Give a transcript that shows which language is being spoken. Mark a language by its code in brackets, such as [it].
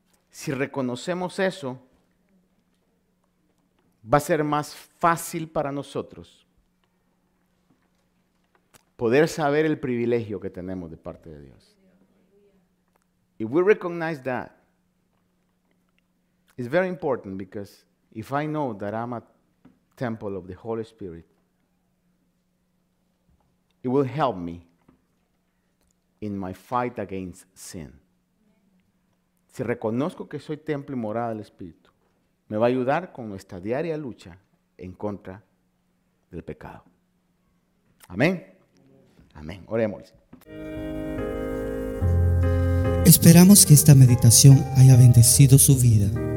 [es] Si reconocemos eso, va a ser más fácil para nosotros poder saber el privilegio que tenemos de parte de Dios. [en] If we recognize that, it's very important because if I know that I'm a temple of the Holy Spirit, it will help me in my fight against sin. [es] Si reconozco que soy templo y morada del Espíritu, me va a ayudar con nuestra diaria lucha en contra del pecado. Amén. Amén. Oremos. Esperamos que esta meditación haya bendecido su vida.